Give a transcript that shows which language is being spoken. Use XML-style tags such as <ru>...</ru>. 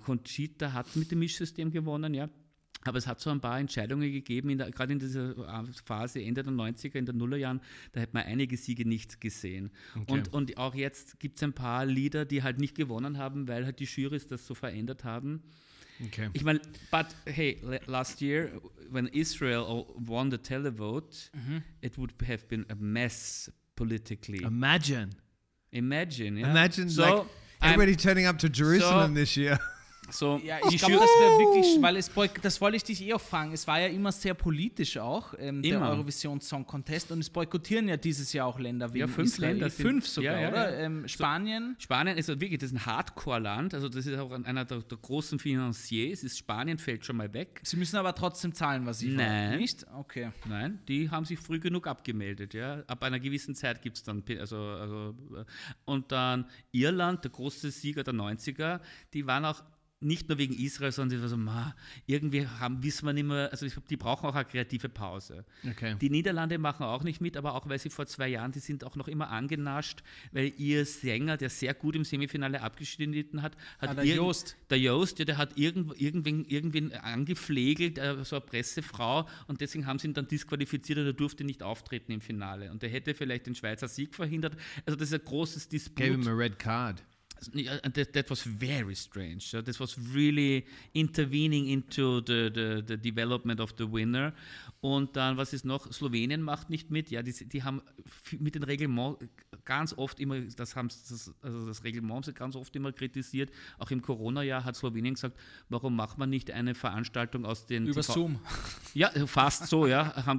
<de>Conchita hat mit dem Mischsystem gewonnen, ja. Aber es hat so ein paar Entscheidungen gegeben, gerade in dieser Phase Ende der 90er, in den Nullerjahren, da hätte man einige Siege nicht gesehen.</de> <en>Okay.</en> <de>Und auch jetzt gibt es ein paar Lieder, die halt nicht gewonnen haben, weil halt die Jurys das so verändert haben.</de> <en>Okay.</en> <de>Ich meine,</de> <en>but hey, last year, when Israel won the televote, it would have been a mess politically. Imagine, yeah. Imagine, so, like, everybody turning up to Jerusalem this year.</en> <de>So, ja, ich glaube, das wäre wirklich, weil das wollte ich dich eh auch fragen, es war ja immer sehr politisch auch, der Eurovision Song Contest, und es boykottieren ja dieses Jahr auch Länder wie fünf Länder, oder? Spanien ist wirklich, das ist ein Hardcore-Land, also das ist auch einer der großen Financiers, Spanien fällt schon mal weg. Sie müssen aber trotzdem zahlen, was ich meine. Nein. Nicht? Okay. Nein, die haben sich früh genug abgemeldet, ja, ab einer gewissen Zeit gibt es dann, also, und dann Irland, der große Sieger der 90er, die waren auch nicht nur wegen Israel, sondern sie war so, irgendwie wissen wir nicht mehr, also ich glaube, die brauchen auch eine kreative Pause.</de> <en>Okay.</en> <de>Die Niederlande machen auch nicht mit, aber auch, weil sie vor 2 Jahren, die sind auch noch immer angenascht, weil ihr Sänger, der sehr gut im Semifinale abgeschnitten hat, der hat irgendwen angeflegelt, so eine Pressefrau, und deswegen haben sie ihn dann disqualifiziert und er durfte nicht auftreten im Finale. Und er hätte vielleicht den Schweizer Sieg verhindert. Also das ist ein großes Disput.</de> <en>Gave him a red card. That was very strange. This was really intervening into the development of the winner.</en> <de>Und dann, was ist noch? Slowenien macht nicht mit. Ja, die haben mit den Reglement ganz oft immer, das Reglement haben sie ganz oft immer kritisiert. Auch im Corona-Jahr hat Slowenien gesagt, warum macht man nicht eine Veranstaltung aus den über TV- Zoom. Ja, fast so, ja.</de>